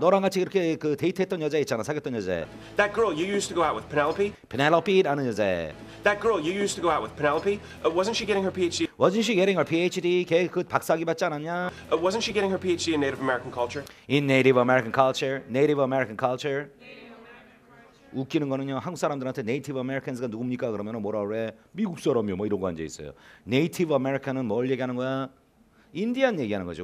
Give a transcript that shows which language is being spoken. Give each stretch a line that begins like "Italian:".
Korean: 너랑 같이 그렇게 그 데이트했던 여자 있잖아, 사귀었던 여자.
English: That girl you used to go out with Penelope.
Korean: Penelope라는 여자.
English: That girl you used to go out with Penelope. Wasn't she getting her PhD? Wasn't she getting her PhD?
Korean: 걔 그 박사학위 받지 않았냐?
English: Wasn't she getting her PhD in Native American culture? In Native American culture. Native American culture. Native American culture.
Korean: 웃기는 거는요, 한국 사람들한테 Native Americans가 누굽니까? 그러면 뭐라 그래? 미국 사람이요, 뭐 이런 거 앉아 있어요. Native American은 뭘 얘기하는 거야? 인디안 얘기하는 거죠.